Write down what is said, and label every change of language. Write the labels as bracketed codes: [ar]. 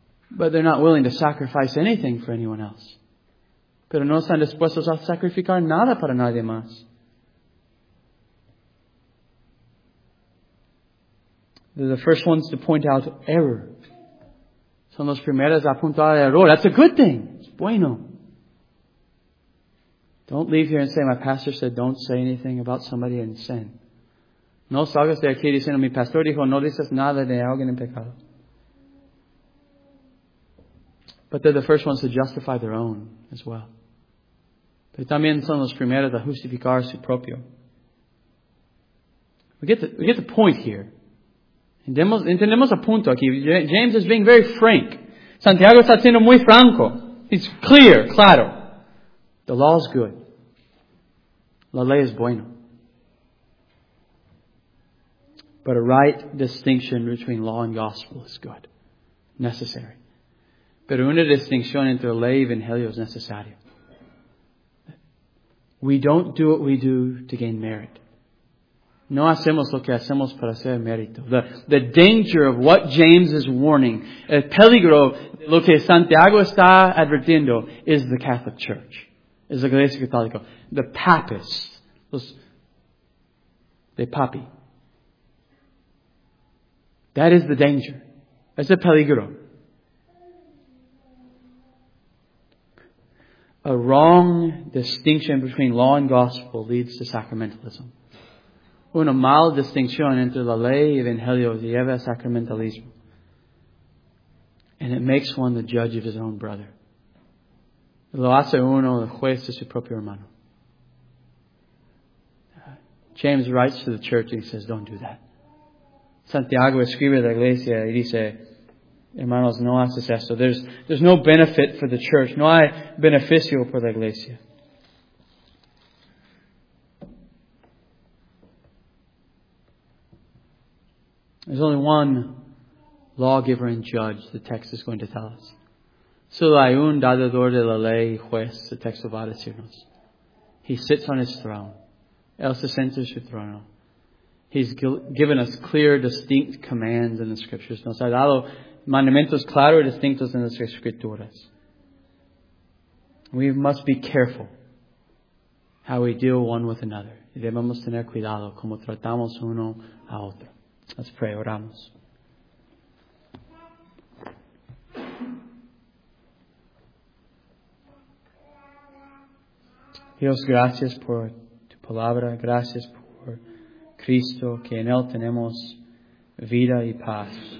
[en] But they're not willing to sacrifice anything for anyone else. [es] Pero no están dispuestos a sacrificar nada para nadie más. [en] They're the first ones to point out error. [es] Son los primeros a apuntar al error. [en] That's a good thing. It's bueno. Don't leave here and say, my pastor said, don't say anything about somebody in sin. [es] No salgas de aquí diciendo, mi pastor dijo, no dices nada de alguien en pecado. [en] But they're the first ones to justify their own as well. [es] Pero también son los primeros a justificar su propio. [en] We get the point here. [es] Entendemos el punto aquí. [en] James is being very frank. [es] Santiago está siendo muy franco. [en] It's clear, claro. The law is good. [es] La ley es bueno. [en] But a right distinction between law and gospel is good. Necessary. [es] Pero una distinción entre ley y evangelio es necesaria. [en] We don't do what we do to gain merit. [es] No hacemos lo que hacemos para hacer mérito. [en] The danger of what James is warning, [es] el peligro de lo que Santiago está advirtiendo, [en] is the Catholic Church, is the Iglesia Católica, the papists, the papi. That is the danger. [es] Es el peligro. [en] A wrong distinction between law and gospel leads to sacramentalism. [es] Una mala distinción entre la ley y el evangelio lleva a sacramentalismo. [en] And it makes one the judge of his own brother. [es] Lo hace uno el juez de su propio hermano. [en] James writes to the church and he says, don't do that. [es] Santiago escribe a la iglesia y dice, hermanos, no haces esto. [en] There's no benefit for the church. [es] No hay beneficio por la iglesia. [en] There's only one lawgiver and judge, the text is going to tell us. [es] Solo hay un dador de la ley y juez, [en] the text [es] va a decirnos. [en] He sits on his throne. [es] Él se sienta en su trono. [en] He's given us clear, distinct commands in the scriptures. [es] Nos ha dado mandamientos claros y distintos en las escrituras. [en] We must be careful how we deal one with another. [es] Y debemos tener cuidado como tratamos uno a otro. [en] Let's pray. [es] Oramos. Dios, gracias por tu palabra. Gracias por Cristo, que en Él tenemos vida y paz.